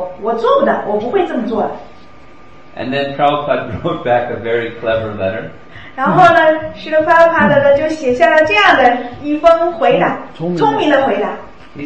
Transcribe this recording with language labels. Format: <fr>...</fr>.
<zh>但是呢，如果没有得到我的灵性导师，是的，帕帕德的非常仔细的指导的话，我做不到，我不会这么做。</zh> <en>And then Prabhupada wrote back a very clever letter.</en> <zh>然后呢，是的，帕帕德呢就写下了这样的一封回答，聪明的回答。</zh> <en>He</en>